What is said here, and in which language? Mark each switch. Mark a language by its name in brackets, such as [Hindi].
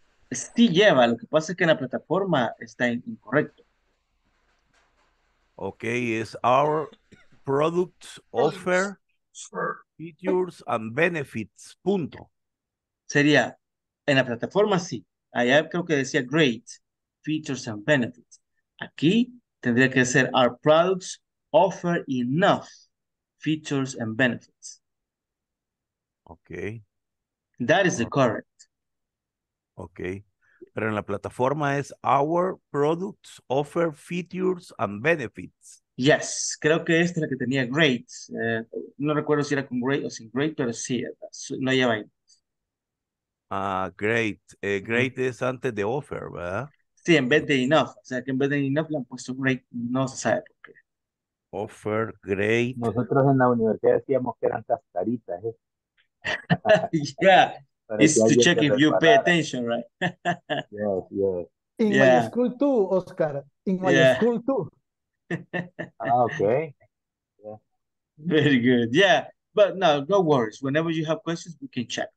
[Spanish] Sí lleva, lo que pasa es que en la plataforma está incorrecto. [English] Okay, is our product offer features and benefits, punto. [Spanish] Sería, en la plataforma sí, allá creo que decía [English] great, features and benefits. [Spanish] Aquí tendría que ser [English] our products offer enough features and benefits. Okay. That is the correct. [Spanish] Okay. Pero en la plataforma es [English] our products offer features and benefits. Yes. [Spanish] Creo que esta es la que tenía great. No recuerdo si era con great o sin great, pero sí, no lleva ahí. Great. Great es antes de offer, ¿verdad? Sí, en vez de enough. O sea, que en vez de enough le han puesto great. No se sabe por qué. Offer, great. Nosotros en la universidad decíamos que eran cascaritas, ¿eh? [English] Yeah, it's to check if you pay attention, right? Yes. In my school too, Oscar. In my school too. Okay. Yeah. Very good. Yeah, but no, no worries. Whenever you have questions, we can check.